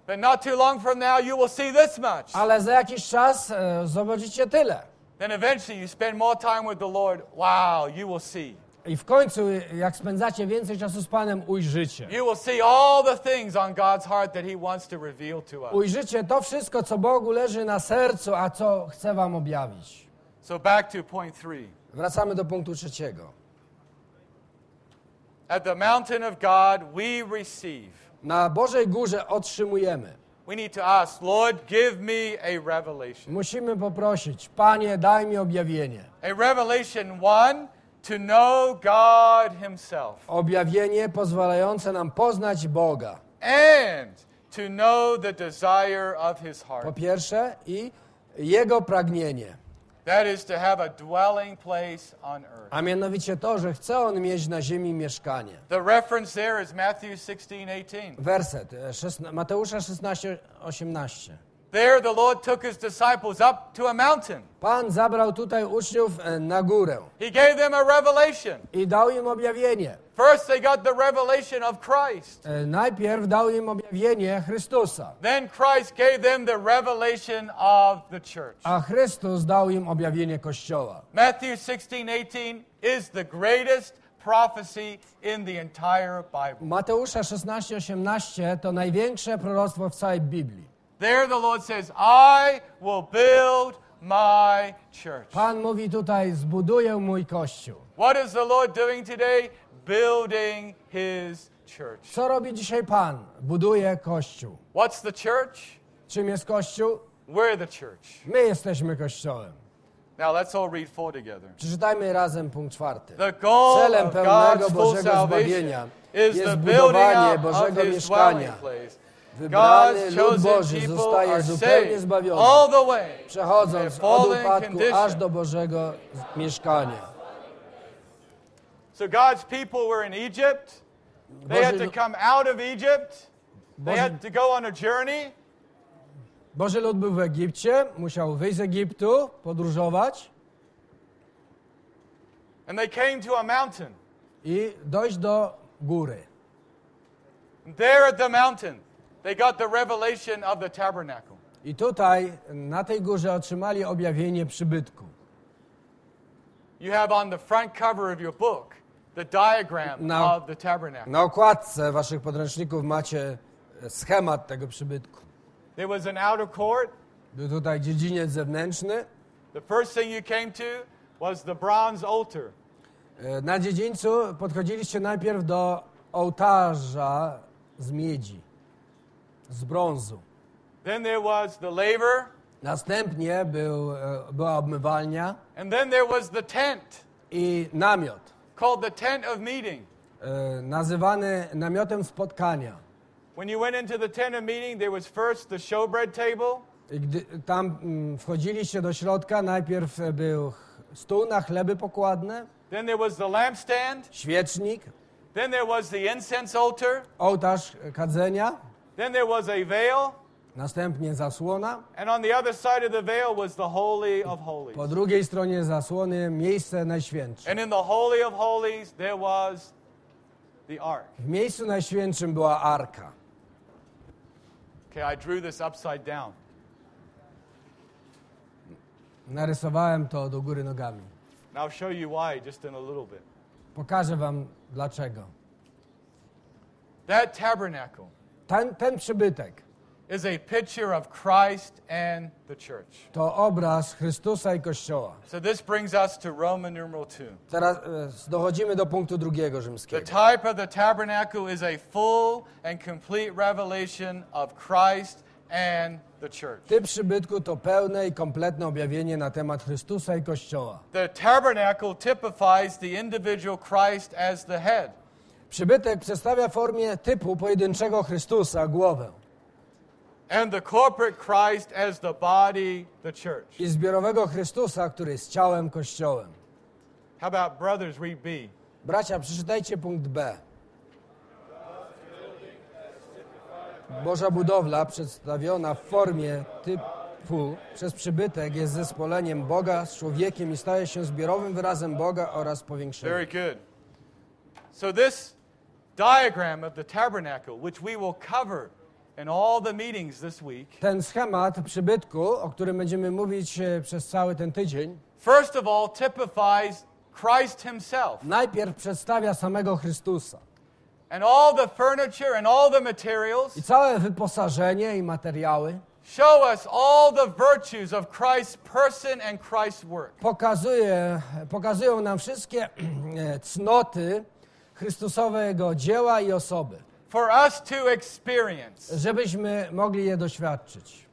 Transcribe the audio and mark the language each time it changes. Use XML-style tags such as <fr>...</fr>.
<en>But not too long from now you will see this much.</en> <pl>Ale za jakiś czas zobaczycie tyle.</pl> <en>Then eventually you spend more time with the Lord. Wow, you will see.</en> <pl>I w końcu, jak spędzacie więcej czasu z Panem, ujrzycie.</pl> <en>You will see all the things on God's heart that He wants to reveal to us.</en> <pl>Ujrzycie to wszystko, co Bogu leży na sercu, a co chce wam objawić.</pl> <en>So back to point three.</en> <pl>Wracamy do punktu trzeciego.</pl> <en>At the mountain of God, we receive.</en> <pl>Na Bożej górze otrzymujemy.</pl> <en>We need to ask, Lord, give me a revelation.</en> <pl>Musimy poprosić, Panie, daj mi objawienie.</pl> <en>A revelation one, to know God Himself.</en> <pl>Objawienie pozwalające nam poznać Boga.</pl> <en>And to know the desire of His heart.</en> <pl>Po pierwsze, i Jego pragnienie.</pl> <en>That is to have a dwelling place on earth.</en> <pl>A mianowicie to, że chce on mieć na ziemi mieszkanie.</pl> <en>The reference there is Matthew 16:18.</en> <pl>Werset Mateusza 16:18.</pl> <en>There the Lord took his disciples up to a mountain.</en> <pl>Pan zabrał tutaj uczniów na górę.</pl> <en>He gave them a revelation.</en> <pl>I dał im objawienie.</pl> <en>First they got the revelation of Christ.</en> <pl>Najpierw dał im objawienie Chrystusa.</pl> <en>Then Christ gave them the revelation of the church.</en> <pl>A Chrystus dał im objawienie Kościoła.</pl> <en>Matthew 16:18 is the greatest prophecy in the entire Bible.</en> <pl>Mateusza 16:18 to największe proroctwo w całej Biblii.</pl> <en>There the Lord says, I will build my church.</en> <pl>Pan mówi tutaj, zbuduję mój kościół.</pl> <en>What is the Lord doing today? Building his church.</en> <pl>Co robi dzisiaj Pan? Buduje kościół.</pl> <en>What's the church?</en> <pl>Czym jest kościół?</pl> <en>We're the church.</en> <pl>My jesteśmy kościołem.</pl> <en>Now let's all read four together.</en> <pl>Przeczytajmy razem punkt czwarty.</pl> <en>The goal</en> <pl>celem</pl> <en>of God's full salvation is the building</en> <pl>Bożego</pl> <en>of his</en> <pl>mieszkania.</pl> <en>Dwelling place. God's chosen people are saved all the way,</en> <pl>przechodząc od upadku aż do Bożego mieszkania.</pl> <en>So God's people were in Egypt. They had to come out of Egypt. They had to go on a journey.</en> <pl>Boży lud był w Egipcie, musiał wyjść z Egiptu, podróżować.</pl> <en>And they came to a mountain.</en> <pl>I dojść do góry.</pl> <en>There at the mountain. They got the revelation of the tabernacle.</en> <pl>I tutaj, na tej górze, otrzymali objawienie przybytku.</pl> <en>You have on the front cover of your book the diagram of the tabernacle.</en> <pl>Na okładce waszych podręczników macie schemat tego przybytku.</pl> <en>There was an outer court.</en> <pl>Był tutaj dziedziniec zewnętrzny.</pl> <en>The first thing you came to was the bronze altar.</en> <pl>Na dziedzińcu podchodziliście najpierw do ołtarza z miedzi, z brązu.</pl> <en>Then there was the laver.</en> <pl>Następnie była obmywalnia.</pl> <en>And then there was the tent.</en> <pl>I namiot.</pl> <en>Called the tent of meeting.</en> <pl>Nazywany namiotem spotkania.</pl> <en>When you went into the tent of meeting, there was first the showbread table.</en> <pl>Gdy tam wchodziliście do środka, najpierw był stół na chleby pokładne.</pl> <en>Then there was the lampstand.</en> <pl>Świecznik.</pl> <en>Then there was the incense altar.</en> <pl>Ołtarz kadzenia.</pl> <en>Then there was a veil.</en> <pl>Następnie zasłona.</pl> <en>And on the other side of the veil was the holy of holies.</en> <pl>Po drugiej stronie zasłony miejsce najświętsze.</pl> <en>And in the holy of holies there was the ark.</en> <pl>W miejscu najświętszym była arka.</pl> <en>Okay, I drew this upside down.</en> <pl>Narysowałem to do góry nogami.</pl> <en>Now I'll show you why just in a little bit.</en> <pl>Pokażę wam dlaczego.</pl> <en>That tabernacle.</en> <pl>Ten przybytek.</pl> <en>Is a picture of Christ and the church.</en> <pl>To obraz Chrystusa i Kościoła.</pl> <en>So this brings us to Roman numeral 2.</en> <pl>Teraz dochodzimy do punktu drugiego rzymskiego.</pl> <en>The type of the tabernacle is a full and complete revelation of Christ and the church.</en> <pl>Typ przybytku to pełne i kompletne objawienie na temat Chrystusa i Kościoła.</pl> <en>The tabernacle typifies the individual Christ as the head.</en> <pl>Przybytek przedstawia formę typu pojedynczego Chrystusa, głowę.</pl> <en>And the corporate Christ as the body, the church.</en> <pl>I zbiorowego Chrystusa, który jest ciałem Kościołem.</pl> <en>How about brothers, read B.</en> <pl>Bracia, przeczytajcie punkt B. Boża budowla przedstawiona w formie typu przez przybytek jest zespoleniem Boga z człowiekiem i staje się zbiorowym wyrazem Boga oraz powiększeniem.</pl> <en>Very good. So this diagram of the tabernacle, which we will cover in all the meetings this week.</en> <pl>Ten schemat przybytku, o którym będziemy mówić przez cały ten tydzień.</pl> <en>First of all, typifies Christ himself.</en> <pl>Najpierw przedstawia samego Chrystusa.</pl> <en>And all the furniture and all the materials.</en> <pl>I całe wyposażenie i materiały.</pl> <en>Show us all the virtues of Christ's person and Christ's work.</en> <pl>Pokazują nam wszystkie cnoty Chrystusowego dzieła i osoby.</pl> <en>For us to experience.</en> <pl>Żebyśmy mogli je doświadczyć.</pl>